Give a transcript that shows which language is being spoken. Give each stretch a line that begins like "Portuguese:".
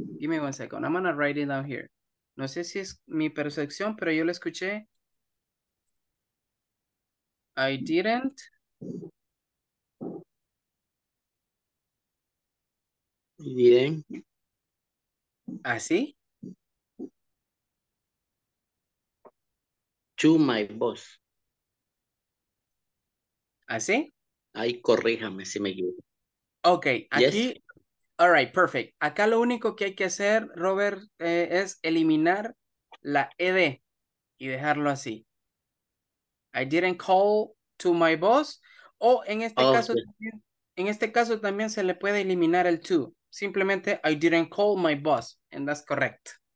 English: Give me one second. I'm gonna write it down here.
Spanish: No sé si es mi percepción, pero yo lo escuché.
English: I didn't. Didn't.
Spanish: Así.
English: To my boss.
Spanish: Así. Ay, corríjame si me equivoco.
English: Okay, aquí. Yes. All right, perfect.
Spanish: Acá lo único que hay que hacer, Robert, es eliminar la ED y dejarlo así.
English: I didn't call to my boss,
Spanish: o en este caso, también, en este caso también se le puede eliminar el to.
English: Simplemente, I didn't call my boss, and that's correct.